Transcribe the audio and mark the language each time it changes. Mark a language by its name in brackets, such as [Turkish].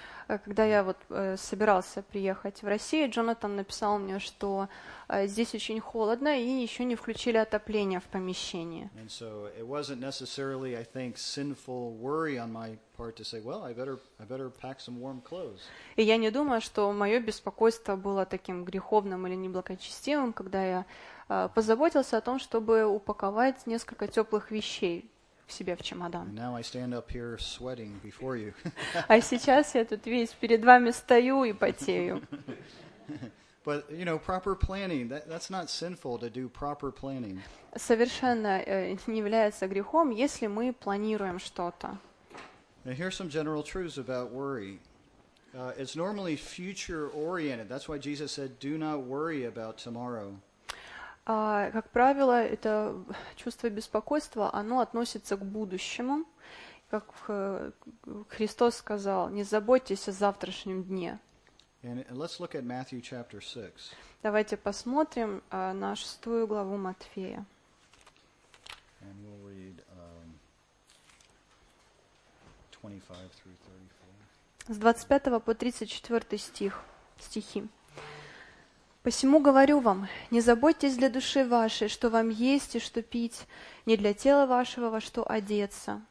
[Russian] Когда я вот собирался приехать в Россию, Джонатан написал мне, что здесь очень холодно и еще не включили отопление в помещении. [English] And so it wasn't necessarily, I think, sinful worry on my part to say, well, I better pack some warm clothes. [Russian] И я не думаю, что мое беспокойство было таким греховным или неблагочестивым, когда я позаботился о том, чтобы упаковать несколько теплых вещей к себе в чемодан. [English] And now I stand up here sweating before you. [Russian] А сейчас я тут весь перед вами стою и потею. [English] But, you know, proper planning, that's not sinful to do proper planning. [Russian] Совершенно не является грехом, если мы планируем что-то. [English] Now here's some general truths about worry. It's normally future-oriented. That's why Jesus said, do not worry about tomorrow. [Russian] Как правило, это чувство беспокойства, оно относится к будущему. Как Христос сказал, не заботьтесь о завтрашнем дне. [English] And let's look at Matthew chapter 6. [Russian] Давайте посмотрим на шестую главу Матфея. [English] And we'll read 25 through 34. [Russian] С 25 по 34 стихи. «Посему говорю вам, не заботьтесь для души вашей, что вам есть и что пить, не для тела вашего, во что одеться.